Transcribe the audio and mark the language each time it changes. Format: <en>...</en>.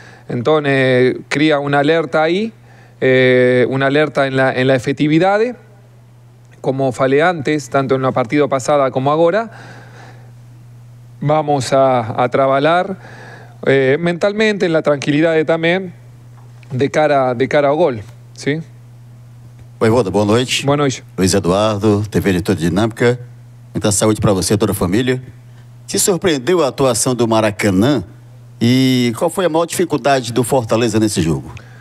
<pt>Então, cria uma alerta aí, uma alerta na efetividade.</pt> <es>Como falei antes, tanto en la partida pasada como ahora, vamos a trabajar mentalmente, en la tranquilidad también, de cara al gol. ¿Sí?</es> <pt>Oi, Voda, boa noite. Boa noite. Luiz Eduardo, TV Editora Dinâmica. Muita saúde para você e toda a família. Se surpreendeu a atuação do Maracanã, e qual foi a maior dificuldade do Fortaleza nesse jogo?</pt>